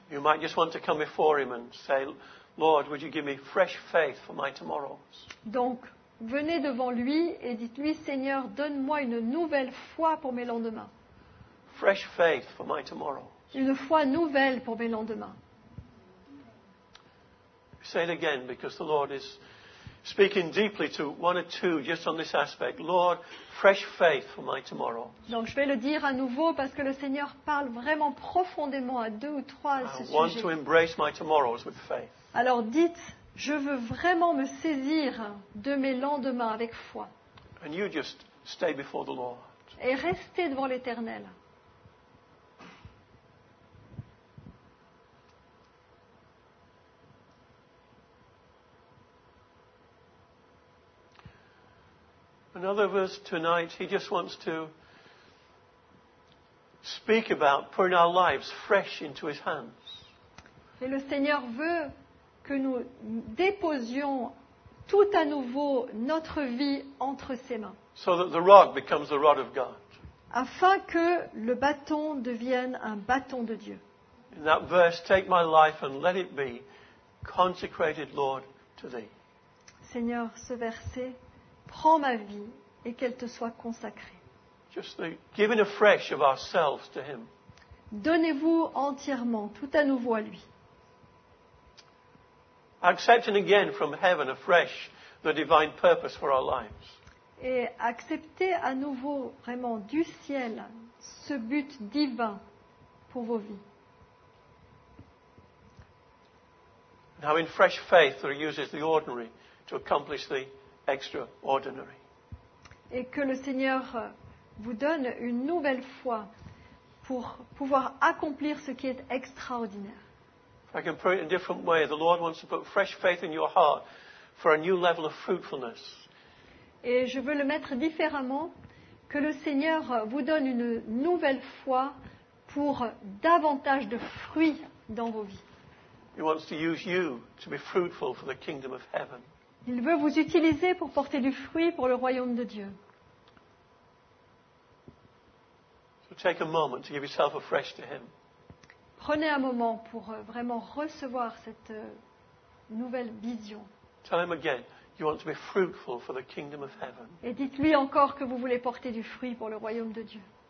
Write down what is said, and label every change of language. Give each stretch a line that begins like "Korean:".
English: You might just want to come before him and say, Lord, would you give me fresh faith for my tomorrows?
French: Donc, venez devant lui et dites-lui, Seigneur, donne-moi une nouvelle foi pour mes lendemains.
English: Fresh faith for my tomorrows.
French: Une foi nouvelle pour mes lendemains.
English: Say it again, because the Lord is speaking deeply to one or two just on this aspect. Lord, fresh faith for my tomorrow.
French: Donc je vais le dire à nouveau parce que le Seigneur parle vraiment profondément à deux ou trois à ce sujet.
English: I want to embrace my tomorrows with faith.
French: Alors dites, je veux vraiment me saisir de mes lendemains avec foi.
English: And you just stay before the Lord.
French: Et restez devant l'Éternel.
English: Another verse tonight, he just wants to speak about putting our lives fresh into his hands.
French: Et le Seigneur veut que nous déposions tout à nouveau notre vie entre ses mains.
English: So that the rod becomes the rod of God.
French: Afin que le bâton devienne un bâton de Dieu.
English: In that verse, take my life and let it be consecrated, Lord, to thee.
French: Seigneur, ce verset, prends ma vie et qu'elle te soit consacrée.
English: Just the giving afresh of ourselves to him.
French: Donnez-vous entièrement, tout à nouveau à lui.
English: Accepting again from heaven afresh the divine purpose for our lives.
French: Et acceptez à nouveau vraiment du ciel ce but divin pour vos vies.
English: And having fresh faith that uses the ordinary to accomplish the extraordinary.
French: Et que le Seigneur vous donne une nouvelle foi pour pouvoir accomplir ce qui est extraordinaire.
English: If I can put it in a different way, the Lord wants to put fresh faith in your heart for a new level of fruitfulness.
French: Et je veux le mettre différemment, que le Seigneur vous donne une nouvelle foi pour davantage de fruits dans vos vies.
English: He wants to use you to be fruitful for the kingdom of heaven.
French: Il veut vous utiliser pour porter du fruit pour le royaume de Dieu.
English: So take a moment to give yourself afresh to him.
French: Prenez un moment pour vraiment recevoir cette nouvelle vision.
English: Tell him again, you want to be fruitful for the kingdom of heaven.
French: Et dites-lui encore que vous voulez porter du fruit pour le royaume de Dieu.